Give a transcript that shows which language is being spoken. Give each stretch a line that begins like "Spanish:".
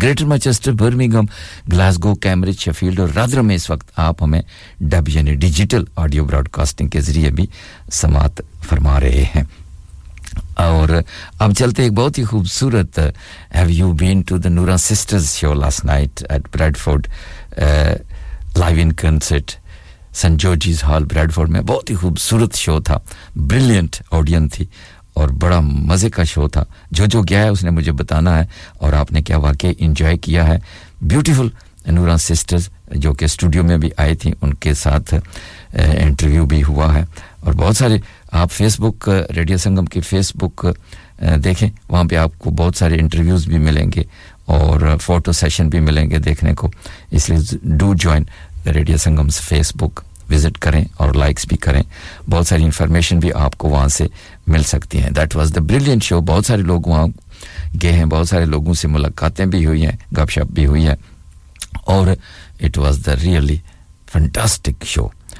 Hindi: Greater Manchester, Birmingham, Glasgow, Cambridge, Sheffield और रदरम में इस वक्त आप हमें डब यानी डिजिटल ऑडियो ब्रॉडकास्टिंग के जरिए भी समाप्त फरमा रहे हैं. और अब चलते एक बहुत ही खूबसूरत
English: Have you been to the Noora sisters show last night at Bradford live in concert St. George's Hall, Bradford. It was a very beautiful show. Brilliant audience. And it was a very fun show. What has happened to me, and what have you enjoyed? Beautiful Noora sisters, who came to the studio, there was an interview with them. And many of you on Facebook, Radio Sangam Facebook, you will get a lot of interviews and a photo session. So do join the Radio Sangam's Facebook.
Hindi: Visit करें और likes भी करें, बहुत सारी information भी आपको वहां से मिल सकती हैं.
English: That was the brilliant show.
Hindi: बहुत सारे लोग वहां गए हैं, बहुत सारे लोगों से मुलाकातें भी हुई हैं, गपशप भी हुई है और
English: It was the really fantastic show.